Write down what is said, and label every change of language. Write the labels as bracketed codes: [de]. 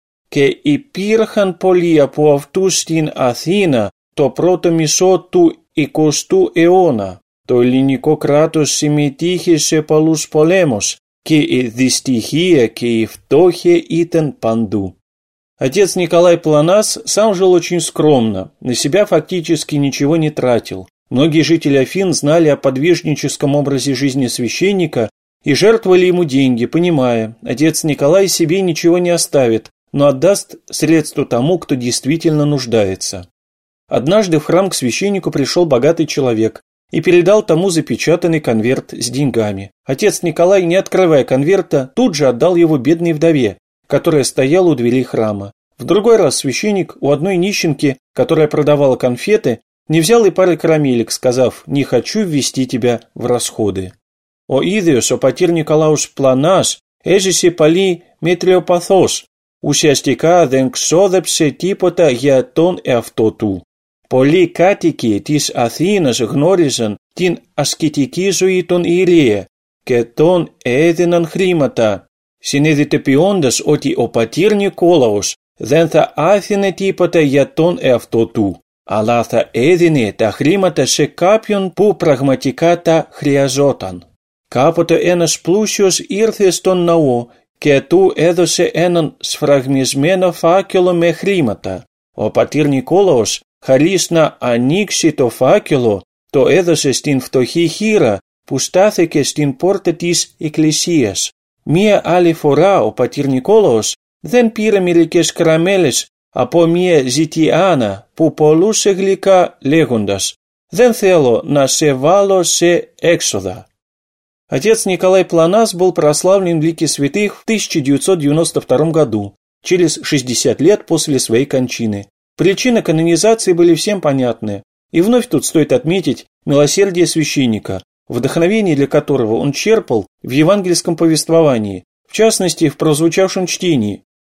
[el] Και υπήρχαν πολλοί από αυτούς στην Αθήνα το πρώτο μισό του 20ου αιώνα. Το ελληνικό κράτος συμμετείχε σε πολλούς πολέμους και η δυστυχία και η φτώχεια ήταν παντού. [ru] Отец Николай Планас сам жил очень скромно, на себя фактически ничего не тратил. Многие жители Афин знали о подвижническом образе жизни священника и жертвовали ему деньги, понимая: отец Николай себе ничего не оставит, но отдаст средства тому, кто действительно нуждается. Однажды в храм к священнику пришел богатый человек и передал тому запечатанный конверт с деньгами. Отец Николай, не открывая конверта, тут же отдал его бедной вдове, которая стояла у двери храма. В другой раз священник у одной нищенки, которая продавала конфеты, не взял и пары карамелек, сказав: «Не хочу ввести тебя в расходы». [el] «О ίδιος ο πατήρ Νικολάος Πλανάς έζησε πολύ μετριοπαθώς. Ουσιαστικά δεν ξόδεψε τίποτα για τον εαυτό του. Πολλοί κάτοικοι της Αθήνας γνώριζαν την ασκητική ζωή των ιερέων και τον έδιναν χρήματα, συνειδητοποιώντας ότι ο πατήρ Νικόλαος δεν θα άφηνε τίποτα για τον εαυτό του, αλλά θα έδινε τα χρήματα σε κάποιον που πραγματικά τα χρειαζόταν. Κάποτε ένας πλούσιος ήρθε στον ναό και του έδωσε έναν σφραγμισμένο φάκελο με χρήματα. Ο πατήρ Νικόλαος Χαρίς να ανοίξει το φάκελο, το έδωσε στην φτωχή χείρα που στάθηκε στην πόρτα της εκκλησίας. Μία άλλη φορά ο πατήρ Νικόλαος δεν πήρε μερικές κραμέλες από μία ζητιάνα που πολλούσε γλυκά λέγοντας «Δεν θέλω να σε βάλω σε έξοδα». [ru] Отец Николай Планас был прославлен в лике святых в 1992 году, через 60 лет после своей кончины. Причины канонизации были всем понятны. И вновь тут стоит отметить милосердие священника, вдохновение для которого он черпал в евангельском повествовании, в частности, в прозвучавшем чтении.